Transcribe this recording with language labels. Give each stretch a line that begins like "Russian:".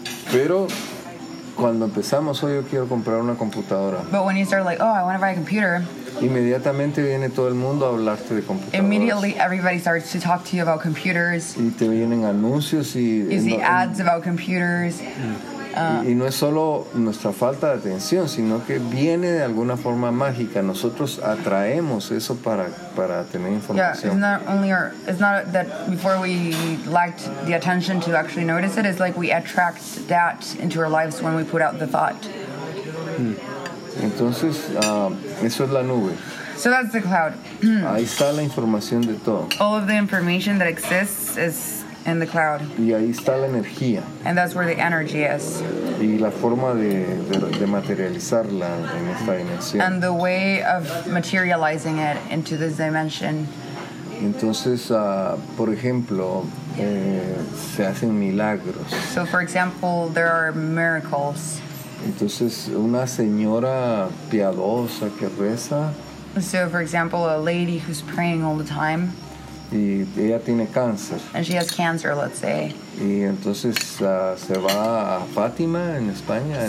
Spanish: Pero cuando empezamos, oh, yo quiero comprar una computadora.
English: But when you start like, oh, I want to buy a computer.
Spanish: Inmediatamente viene todo el mundo a hablarte de computadoras.
English: Immediately everybody starts to talk to you about computers.
Spanish: Y te vienen anuncios y...
English: ads about computers.
Spanish: Y no es solo nuestra falta de atención, sino que viene de alguna forma mágica. Nosotros atraemos eso para tener información.
English: Yeah, it's not that before we lacked the attention to actually notice it. It's like we attract that into our lives when we put out the thought.
Spanish: Entonces, eso es la nube.
English: So that's the cloud.
Spanish: Ahí está la información de todo.
English: All of the information that exists is in the cloud.
Spanish: Y ahí está la energía.
English: And that's where the energy is.
Spanish: Y la forma de materializarla en esta dimensión.
English: And the way of materializing it into this dimension.
Spanish: Entonces, por ejemplo, se hacen milagros.
English: So, for example, there are miracles.
Spanish: Entonces, una señora piadosa que reza.
English: So, for example, a lady who's praying all the time.
Spanish: Y ella tiene cáncer.
English: And she has cancer, let's say.
Spanish: Y entonces se va a Fátima en España,